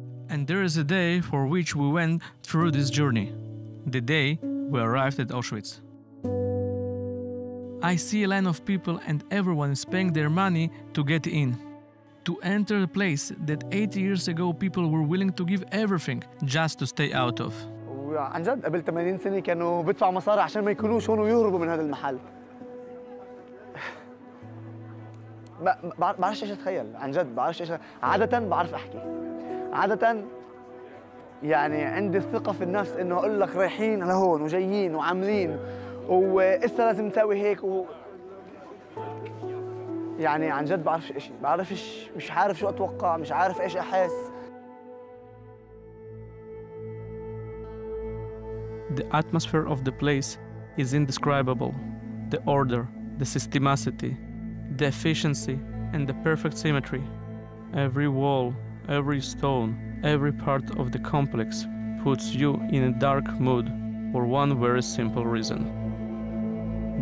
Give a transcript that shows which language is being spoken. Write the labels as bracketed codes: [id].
[en] And there is a day for which we went through this journey, the day we arrived at Auschwitz. I see a line of people and everyone is paying their money to get in. To enter a place that 8 years ago people were willing to give everything just to stay out of. [ar] عن جد قبل 80 سنة كانوا بيدفعوا مصاري عشان ما يكونوش هون ويهربوا من هذا المحل. بعرفش ايش اتخيل، عن جد بعرفش ايش، عادة بعرف احكي. عادة يعني عندي الثقة في النفس انه اقول لك رايحين لهون وجايين وعاملين واسا لازم نسوي هيك و يعني عن جد بعرفش اشي، بعرفش مش عارف شو اتوقع، مش عارف ايش احس. [en] The atmosphere of the place is indescribable. The order, the systematicity, the efficiency, and the perfect symmetry. Every wall, every stone, every part of the complex puts you in a dark mood for one very simple reason.